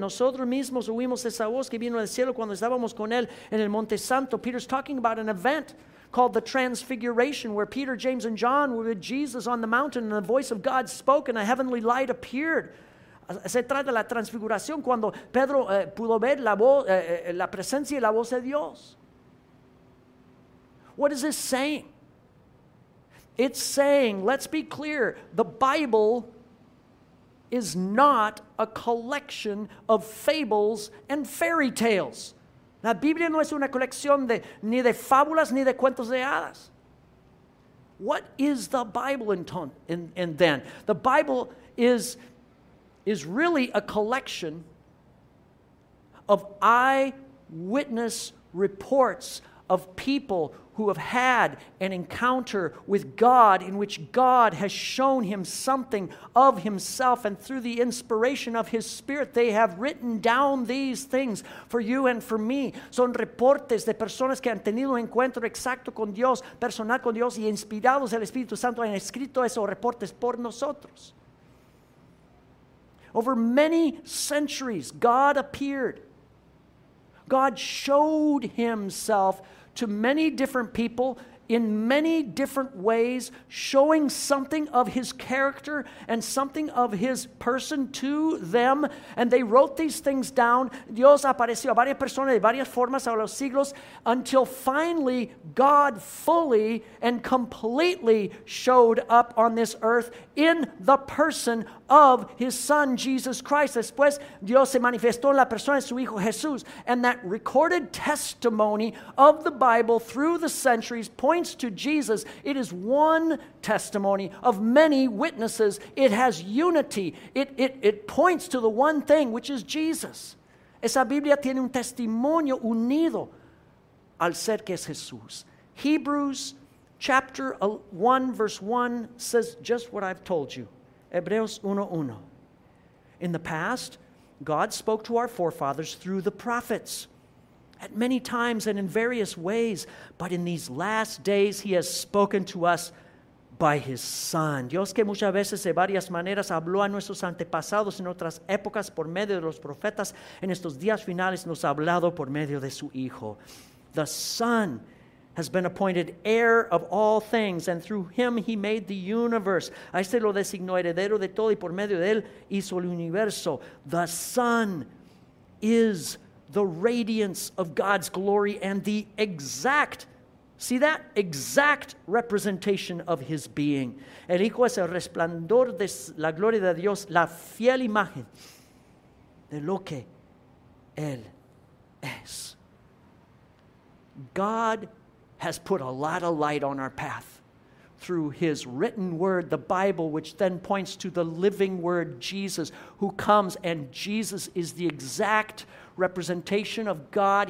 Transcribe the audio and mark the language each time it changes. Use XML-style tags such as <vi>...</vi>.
<es>Nosotros mismos oímos esa voz que vino del cielo cuando estábamos con él en el Monte Santo.</es> <en>Peter's talking about an event called the Transfiguration, where Peter, James, and John were with Jesus on the mountain, and the voice of God spoke, and a heavenly light appeared.</en> <es>Se trata de la transfiguración, cuando Pedro pudo ver la presencia y la voz de Dios.</es> <en>What is this saying? It's saying, let's be clear, the Bible is not a collection of fables and fairy tales.</en> <es>La Biblia no es una colección de ni de fábulas ni de cuentos de hadas.</es> <en>What is the Bible then? The Bible is really a collection of eyewitness reports of people who have had an encounter with God in which God has shown him something of himself, and through the inspiration of his Spirit, they have written down these things for you and for me.</en> <es>Son reportes de personas que han tenido un encuentro exacto con Dios, personal con Dios, y inspirados el Espíritu Santo han escrito esos reportes por nosotros.</es> <en>Over many centuries, God appeared. God showed himself to many different people in many different ways, showing something of his character and something of his person to them, and they wrote these things down.</en> <es>Dios apareció a varias personas de varias formas a los siglos,</es> <en>until finally God fully and completely showed up on this earth in the person of his son Jesus Christ.</en> <es>Después Dios se manifestó en la persona de su hijo Jesús,</es> <en>and that recorded testimony of the Bible through the centuries points to Jesus. It is one testimony of many witnesses. It has unity. It points to the one thing, which is Jesus.</en> <es>Esa Biblia tiene un testimonio unido al ser que es Jesús.</es> <en>Hebrews chapter 1 verse 1 says just what I've told you. Hebreos 1:1. In the past, God spoke to our forefathers through the prophets at many times and in various ways, but in these last days he has spoken to us by his Son.</en> <es>Dios que muchas veces de varias maneras habló a nuestros antepasados en otras épocas por medio de los profetas, en estos días finales nos ha hablado por medio de su Hijo.</es> <en>The Son has been appointed heir of all things, and through him he made the universe.</en> <es>A este lo designó heredero de todo, y por medio de él hizo el universo.</es> <en>The Son is the radiance of God's glory and the exact, see that? Exact representation of his being.</en> <es>El Hijo es el resplandor de la gloria de Dios, la fiel imagen de lo que él es.</es> <en>God has put a lot of light on our path through his written word, the Bible, which then points to the living word, Jesus, who comes, and Jesus is the exact representation of God.</en>